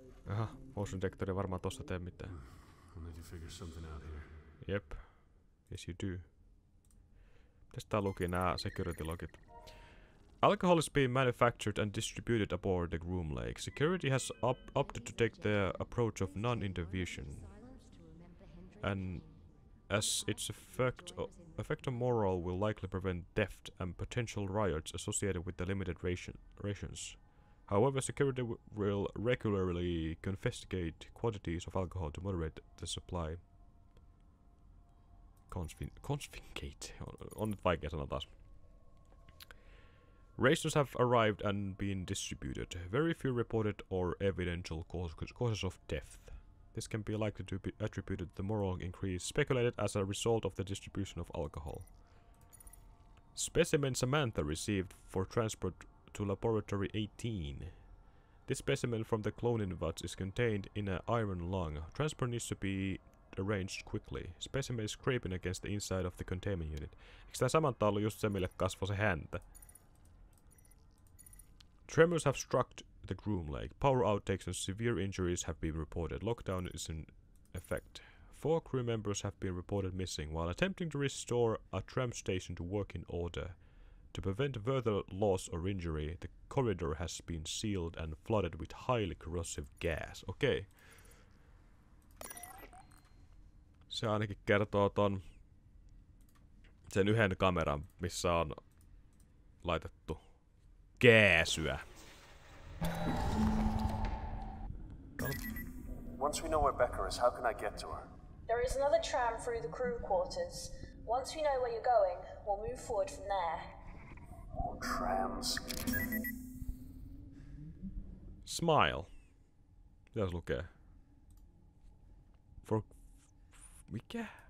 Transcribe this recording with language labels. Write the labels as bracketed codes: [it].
[fi] Aha, motion detector ei varmaan tossa tee mitään. Jep, [en] yes you do. [fi] Tää luki nää security logit. [en] Alcohol is being manufactured and distributed aboard the Groom Lake. Security has opted to take the approach of non-intervention. And as its effect on morale will likely prevent theft and potential riots associated with the limited rations. However, security will regularly confiscate quantities of alcohol to moderate the supply. [fi] Confiscate. On nyt vaikea sana taas. [en] Rations have arrived and been distributed. Very few reported or evidential causes of death. This can be likely to be attributed to the moral increase speculated as a result of the distribution of alcohol. Specimen Samantha received for transport to Laboratory 18. This specimen from the cloning vats is contained in an iron lung. Transport needs to be arranged quickly. Specimen is scraping against the inside of the containment unit. [fi] Eikö tämä Samantha ollut just se, mille kasvoi se häntä? [en] Tremors have struck the groom leg. Power outtakes and severe injuries have been reported. Lockdown is in effect. 4 crew members have been reported missing while attempting to restore a tram station to working order. To prevent further loss or injury, the corridor has been sealed and flooded with highly corrosive gas. [fi] Okei. Se ainakin kertoo ton sen yhden kameran, missä on laitettu kääsyä. [en] Once we know where Becker is, how can I get to her? There is another tram through the crew quarters. Once we know where you're going, we'll move forward from there. More trams. [fi] Smile. Mitäs lukee? For... mikä?